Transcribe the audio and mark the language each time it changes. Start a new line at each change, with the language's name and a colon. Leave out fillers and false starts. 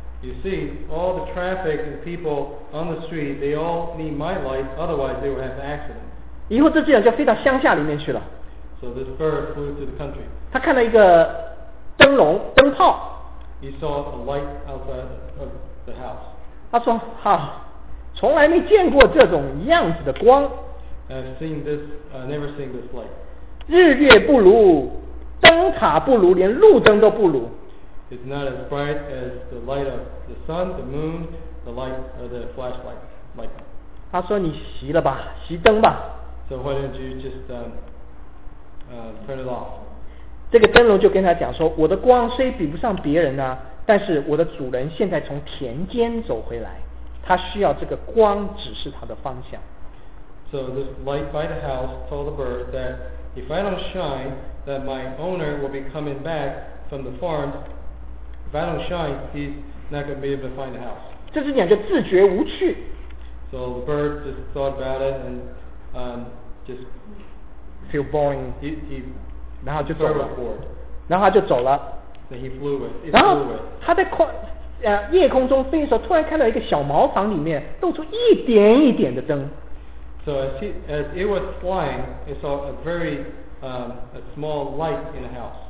English: You see, all the traffic and people on the street, they all need my light, otherwise they will have accidents.
Chinese: 以后这只鸟就飞到乡下里面去了。
English: So this bird flew to the country.
Chinese: 他看到一个灯笼、灯泡。
English: He saw a light outside of the house.
Chinese: 他说：“哈，从来没见过这种样子的光。
English: ”I've seen this, never seen this light.
Chinese: 日月不如，灯塔不如，连路灯都不如。
English: It's not as bright as the light of the sun, the moon, the light of the flashlight.
Chinese: 他说：“你熄了吧，熄灯吧。
English: ”So why don't you just turn it off?
Chinese: 这个灯笼就跟他讲说，我的光虽比不上别人呢，但是我的主人现在从田间走回来，他需要这个光指示他的方向。
English: So this light by the house told the bird that if I don't shine, that my owner will be coming back from the farm. If I don't shine, he's not going to be able to find the house.
Chinese: 这只鸟就自觉无趣。
English: So the bird just thought about it and just feel boring. He
Chinese: 然后就走了，然后他就走了。
English: He flew away.
Chinese: 然后他在夜空中飞的时候，突然看到一个小茅房里面露出一点一点的灯。
English: So as it was flying, it saw a very a small light in the house.